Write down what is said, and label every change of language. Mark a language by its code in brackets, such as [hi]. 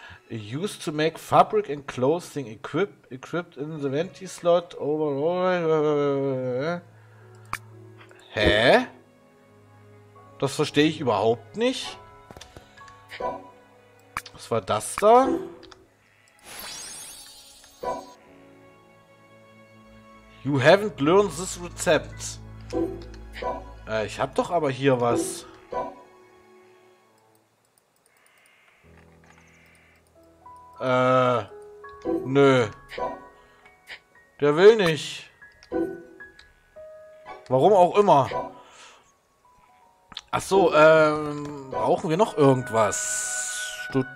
[en] Used to make fabric and clothing equipped in the venti slot overall. Hä? [de] Das verstehe ich überhaupt nicht. Was war das da? [en] You haven't learned this recept. [de] Ich hab doch aber hier was. Nö. Der will nicht. Warum auch immer. Ach so, brauchen wir noch irgendwas?